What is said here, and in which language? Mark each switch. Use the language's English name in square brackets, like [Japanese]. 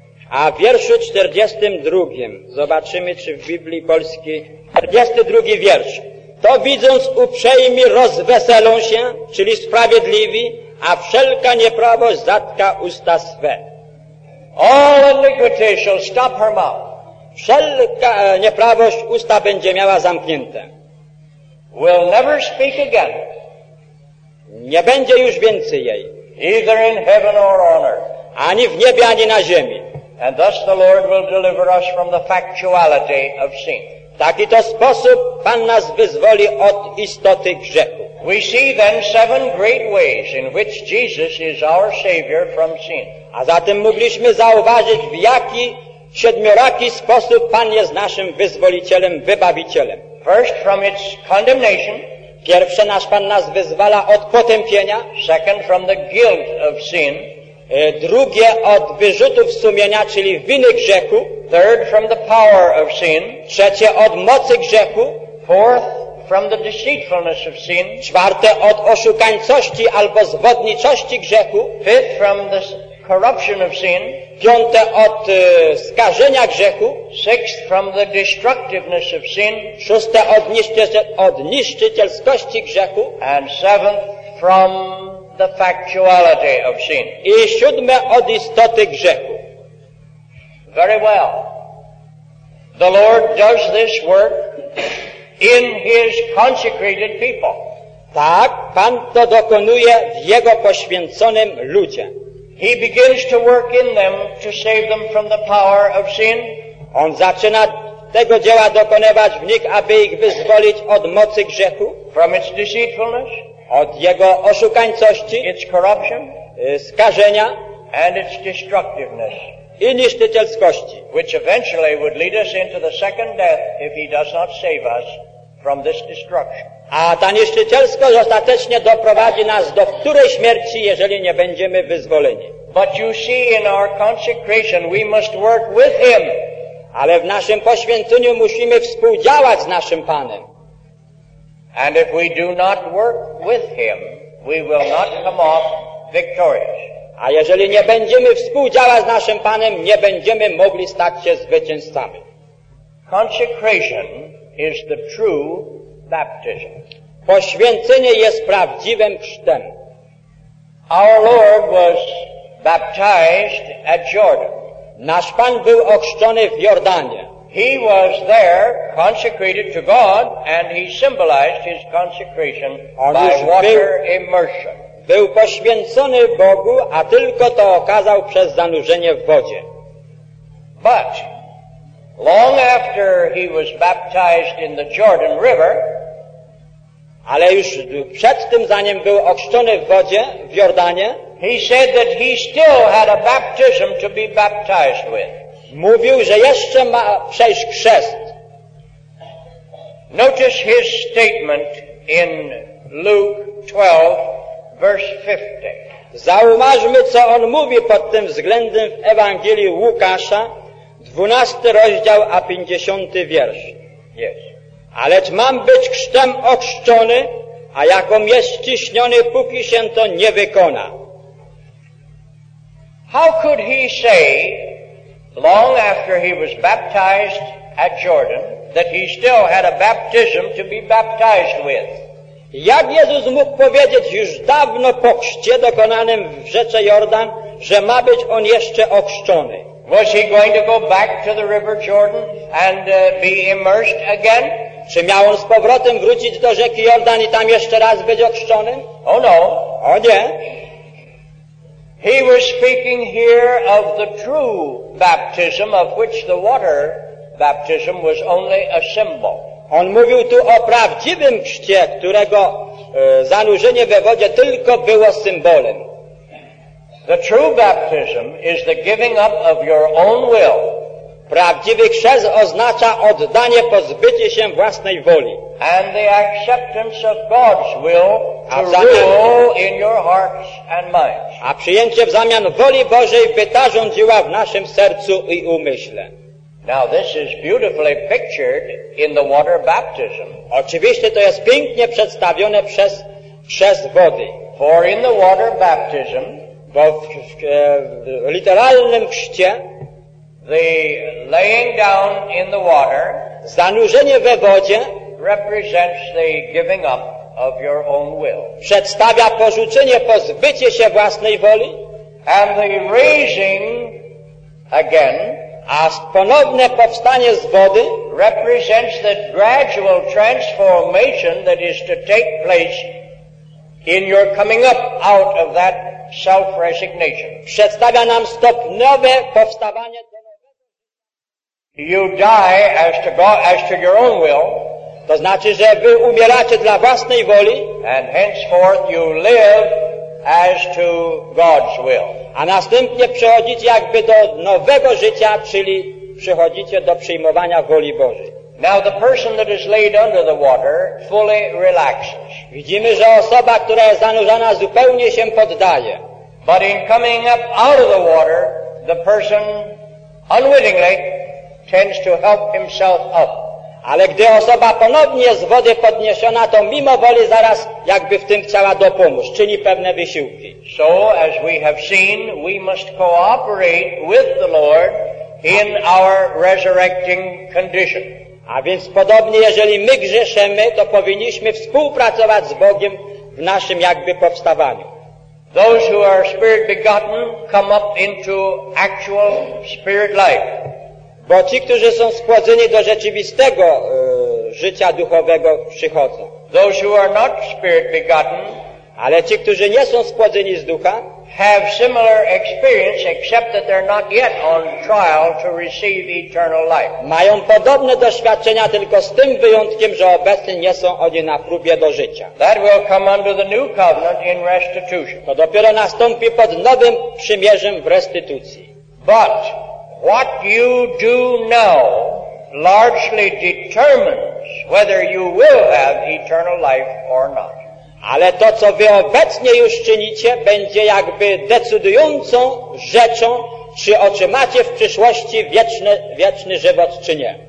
[Polish] A w wierszu 42, zobaczymy, czy w Biblii Polskiej, 42 wiersz. To widząc uprzejmi rozweselą się, czyli sprawiedliwi, a wszelka nieprawość zatka usta swe. [English] All iniquity shall stop her mouth. [Polish] Wszelka nieprawość usta będzie miała zamknięte. [English] Will never speak again. [Polish] Nie będzie już więcej jej. [English] Either in heaven or on earth. [Polish] Ani w niebie, ani na ziemi. [English] And thus the Lord will deliver us from the factuality of sin. [Polish] Taki to sposób Pan nas wyzwoli od istoty grzechu. [English] We see then seven great ways in which Jesus is our Savior from sin. [Polish] A zatem mogliśmy zauważyć, w jaki siedmioraki sposób Pan jest naszym wyzwolicielem, wybawicielem. [English] First from its condemnation. [Polish] Pierwsze, nasz Pan nas wyzwala od potępienia. [English] Second from the guilt of sin. [Polish] Drugie, od wyrzutów sumienia, czyli winy grzechu. [English] Third from the power of sin. [Polish] Trzecie, od mocy grzechu. [English] Fourth from the deceitfulness of sin. [Polish] Czwarte, od oszukańczości albo zwodniczości grzechu. [English] Fifth from the corruption of sin. [Polish] Piąte, od skażenia grzechu. [English] Sixth from the destructiveness of sin. [Polish] Szóste, od niszczycielskości grzechu. [English] And seventh from the factuality of sin. [Polish] I siódme, od istoty grzechu. [English] Very well. The Lord does this work in his consecrated people. [Polish] Tak, Pan to dokonuje w jego poświęconym ludzie. [English] He begins to work in them to save them from the power of sin. [Polish] On zaczyna tego dzieła dokonywać w nich, aby ich wyzwolić od mocy grzechu. [English] From its deceitfulness. [Polish] Od jego oszukańczości. [English] Its corruption. [Polish] Skażenia. [English] And its destructiveness. [Polish] I niszczycielskości. [English] Which eventually would lead us into the second death if he does not save us from this destruction. [Polish] A ta niszczycielskość ostatecznie doprowadzi nas do której śmierci, jeżeli nie będziemy wyzwoleni. [English] But you see, in our consecration we must work with him. [Polish] Ale w naszym poświęceniu musimy współdziałać z naszym Panem. [English] And if we do not work with him, we will not come off victorious. [Polish] A jeżeli nie będziemy współdziałać z naszym Panem, nie będziemy mogli stać się zwycięzcami. [English] Consecration is the true baptism. [Polish] Poświęcenie jest prawdziwym chrztem. [English] Our Lord was baptized at Jordan. [Polish] Nasz Pan był ochrzczony w Jordanie. [English] He was there consecrated to God and he symbolized his consecration by water immersion. [Polish] Był poświęcony Bogu, a tylko to okazał przez zanurzenie w wodzie. [English] But long after he was baptized in the Jordan River, [Polish] ale już przed tym, zanim był ochrzczony w wodzie w Jordanie, [English] he said that he still had a baptism to be baptized with. [Polish] Mówił, że jeszcze ma przejść chrzest. [English] Notice his statement in Luke 12, verse 50. [Polish] Zauważmy, co on mówi pod tym względem w Ewangelii Łukasza, 12 rozdział, a 50 wiersz. [English] Yes. [Polish] Alecz mam być chrztem ochrzczony, a jakom jest ściśniony, póki się to nie wykona. [English] How could he say, long after he was baptized at Jordan, that he still had a baptism to be baptized with? [Polish] Jak Jezus mógł powiedzieć już dawno po chrzcie dokonanym w rzece Jordan, że ma być on jeszcze ochrzczony? [English] Was he going to go back to the river Jordan and be immersed again? [Polish] Czy miał on z powrotem wrócić do rzeki Jordan i tam jeszcze raz być ochrzczony? [English] Oh no. [Polish] O nie. [English] He was speaking here of the true baptism, of which the water baptism was only a symbol. [Polish] On mówił tu o prawdziwym chrzcie, którego zanurzenie we wodzie tylko było symbolem. [English] The true baptism is the giving up of your own will. [Polish] Prawdziwy chrzest oznacza oddanie, pozbycie się własnej woli. [English] And the acceptance of God's will to rule in your hearts and minds. [Polish] A przyjęcie w zamian woli Bożej, by ta rządziła w naszym sercu i umyśle. [English] Now this is beautifully pictured in the water baptism. [Polish] Oczywiście to jest pięknie przedstawione przez chrzest wody. [English] For in the water baptism, [Polish] bo w literalnym chrzcie, [English] the laying down in the water, [Polish] zanurzenie we wodzie, [English] represents the giving up of your own will. [Polish] Przedstawia porzucenie, pozbycie się własnej woli, [English] and the raising again, [Polish] aż ponowne powstanie z wody, [English] represents the gradual transformation that is to take place in your coming up out of that self-resignation. [Polish] Przedstawia nam stopniowe powstawanie. [English] You die as to God, as to your own will. [Polish] To znaczy, że wy umieracie dla własnej woli. [English] And henceforth you live as to God's will. [Polish] A następnie przechodzicie jakby do nowego życia, czyli przychodzicie do przyjmowania woli Bożej. [English] Now the person that is laid under the water fully relaxes. [Polish] Widzimy, że osoba, która jest zanurzona, zupełnie się poddaje. [English] But in coming up out of the water, the person unwittingly tends to help himself up. [Polish] Ale gdy osoba ponownie z wody podniesiona, to mimo woli zaraz jakby w tym chciała dopomóc, czyni pewne wysiłki. [English] So, as we have seen, we must cooperate with the Lord in our resurrecting condition. [Polish] A więc podobnie, jeżeli my grzeszymy, to powinniśmy współpracować z Bogiem w naszym jakby powstawaniu. [English] Those who are spirit begotten come up into actual spirit life. [Polish] Bo ci, którzy są skłodzeni do rzeczywistego życia duchowego, przychodzą. [English] Those who are not spirit begotten, [Polish] ale ci, którzy nie są skłodzeni z ducha, [English] have similar experience, except that they're not yet on trial to receive eternal life. [Polish] Mają podobne doświadczenia, tylko z tym wyjątkiem, że obecnie nie są oni na próbie do życia. [English] That will come under the new covenant in restitution. [Polish] To dopiero nastąpi pod nowym przymierzem w restytucji. [English] But what you do now largely determines whether you will have eternal life or not. [Polish] Ale to, co wy obecnie już czynicie, będzie jakby decydującą rzeczą, czy otrzymacie w przyszłości wieczny żywot, czy nie.